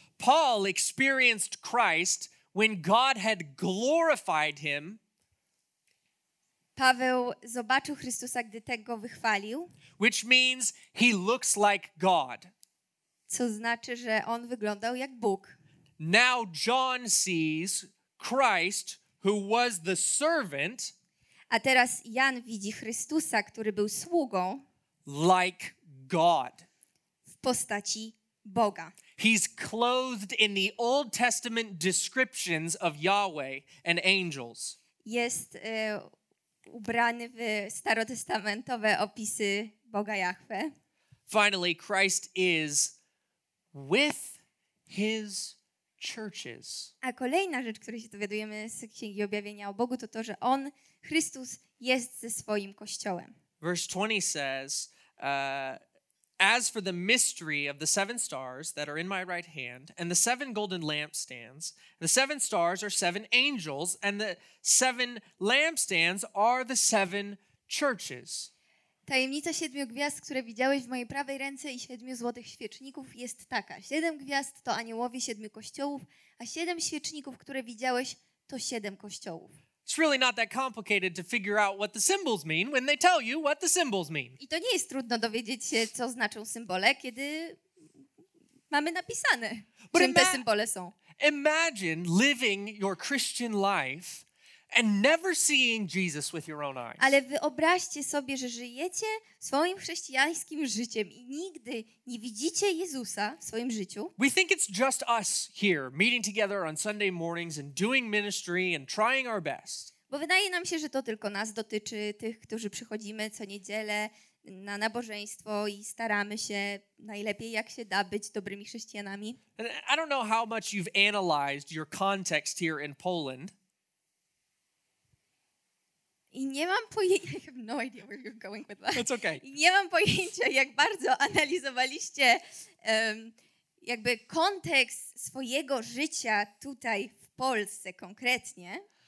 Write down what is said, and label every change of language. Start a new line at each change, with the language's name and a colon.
English: Paul experienced Christ when God had glorified him.
Polish: Paweł zobaczył Chrystusa, gdy tego wychwalił.
English: Which means he looks like God.
Polish: Co znaczy, że on wyglądał jak Bóg.
English: Now John sees Christ, who was the servant.
Polish: A teraz Jan widzi Chrystusa, który był sługą.
English: Like God.
Polish: W postaci Boga.
English: He's clothed in the Old Testament descriptions of Yahweh and angels.
Polish: Jest ubrany w starotestamentowe opisy Boga Jahwe.
English: Finally, Christ is with his churches.
Polish: A kolejna rzecz, której się dowiadujemy z Księgi Objawienia o Bogu, to to, że on, Chrystus, jest ze swoim kościołem.
English: Verse 20 says, as for the mystery of the seven stars that are in my right hand and the seven golden lampstands, the seven stars are seven angels and the seven lampstands are the seven churches.
Polish: Tajemnica siedmiu gwiazd, które widziałeś w mojej prawej ręce i siedmiu złotych świeczników jest taka. Siedem gwiazd to aniołowie siedmiu kościołów, a siedem świeczników, które widziałeś, to siedem kościołów.
English: It's really not that complicated to figure out what the symbols mean when they tell you what the symbols mean.
Polish: I to nie jest trudno dowiedzieć się, co znaczą symbole, kiedy mamy napisane,
English: but
Polish: czym te symbole są.
English: Imagine living your Christian life and never seeing Jesus with your own eyes.
Polish: Ale wyobraźcie sobie, że żyjecie swoim chrześcijańskim życiem i nigdy nie widzicie Jezusa w swoim życiu.
English: We think it's just us here meeting together on Sunday mornings and doing ministry and trying our best.
Polish: Bo wydaje nam się, że to tylko nas dotyczy, tych, którzy przychodzimy co niedzielę na nabożeństwo i staramy się najlepiej jak się da być dobrymi chrześcijanami.
English: And I don't know how much you've analyzed your context here in Poland.
Polish: I nie mam pojęcia,
English: I have no idea where you're going with that. It's okay.
Polish: I nie mam pojęcia, jak bardzo analizowaliście jakby kontekst swojego życia tutaj w Polsce konkretnie.